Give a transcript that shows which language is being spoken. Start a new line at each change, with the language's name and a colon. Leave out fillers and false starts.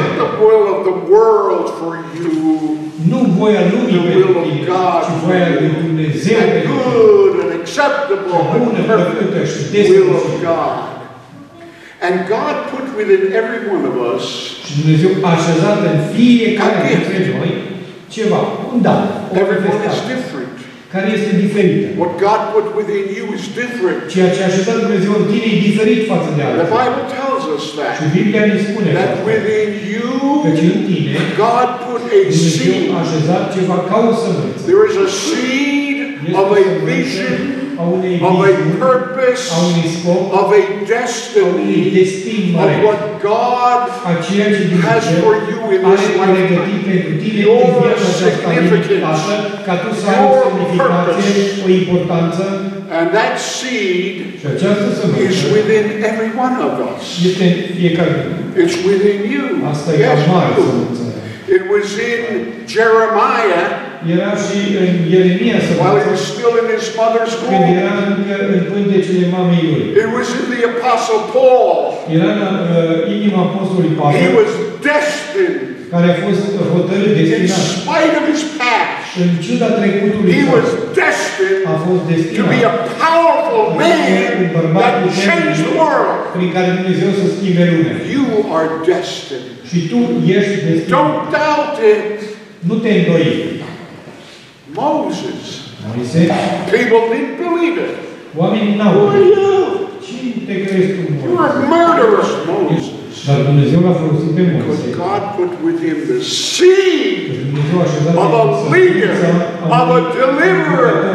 English: Not the will of the world for you.
Romanian: Nu voia lumii
English: the will of God
Romanian: ci voia lui Dumnezeu.
English: That good and acceptable
Romanian: bună,
English: and perfect will of God. And God put within every one of us
Romanian: și Dumnezeu a așezat în fiecare dintre noi ceva, un dar, o manifestare care este diferită.
English: What God put within you is different.
Romanian: Ceea ce a așezat Dumnezeu în tine e diferit față de altul.
English: The Bible tells us that.
Romanian: Și Biblia ne spune
English: that within you,
Romanian: căci în tine,
English: God put a seed.
Romanian: Dumnezeu a așezat ceva ca o sămânță.
English: There is a seed of a vision, of a purpose, of a destiny, of what God has for you in this lifetime. Your significance, your purpose, and that seed is within every one of us. It's within you. Yes, you. It was in Jeremiah.
Romanian: Era și în Ieremia,
English: while he was still in his mother's womb. It was in the Apostle Paul.
Romanian: Era în inima Apostolului Pavel.
English: He was destined.
Romanian: Care a fost hotărât, destinat.
English: In spite of his past.
Romanian: În ciuda trecutului.
English: He was destined.
Romanian: A fost destinat.
English: To be a powerful man that changed the world.
Romanian: Prin care Dumnezeu să schimbe lumea.
English: You are destined.
Romanian: Și tu ești destinat.
English: Don't doubt it.
Romanian: Nu te îndoi.
English: Moses.
Romanian: Moise.
English: People didn't believe it.
Romanian: Oamenii n-au.
English: Who are you?
Romanian: Cine te crezi tu, Moise?
English: You are murderous, Moses.
Romanian: Dar Dumnezeu l-a folosit pe Moise.
English: Because God put with him the seed of a leader, of a deliverer.